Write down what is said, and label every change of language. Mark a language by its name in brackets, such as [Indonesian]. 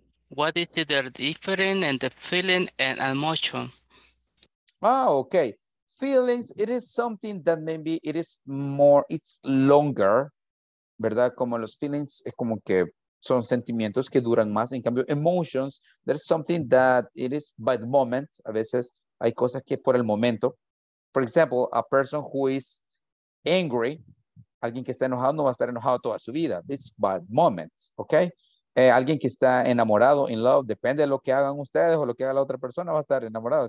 [English] What is the difference in the feeling and emotion? Ah, okay. Feelings, it is something that maybe it is more, it's longer. [Spanish] ¿Verdad? Como los feelings, es como que son sentimientos que duran más. En cambio, [English] emotions, there's something that it is by the moment. [Spanish] A veces hay cosas que por el momento. [English] For example, a person who is angry, [Spanish] alguien que está enojado no va a estar enojado toda su vida. [English] It's by the moment, okay? [Spanish] Alguien que está enamorado, in love, depende de lo que hagan ustedes o lo que haga la otra persona, va a estar enamorado.